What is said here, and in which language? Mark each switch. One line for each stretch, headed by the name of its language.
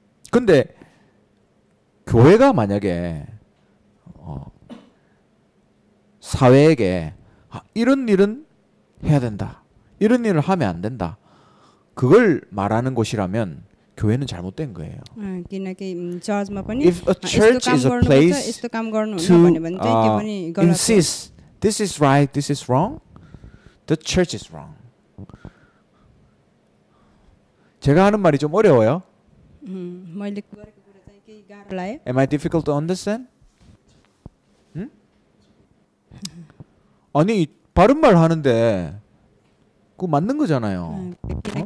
Korean: 근데 교회가 만약에 사회에게 이런 일은 해야 된다, 이런 일을 하면 안 된다, 그걸 말하는 곳이라면 교회는 잘못된 거예요. 기나기
English: If a church is a place to insist this is right, this is wrong, the church is wrong.
Korean: 제가 하는 말이 좀 어려워요.
English: Am I difficult to understand?
Korean: 아니 바른 말 하는데 그 맞는 거잖아요. 어?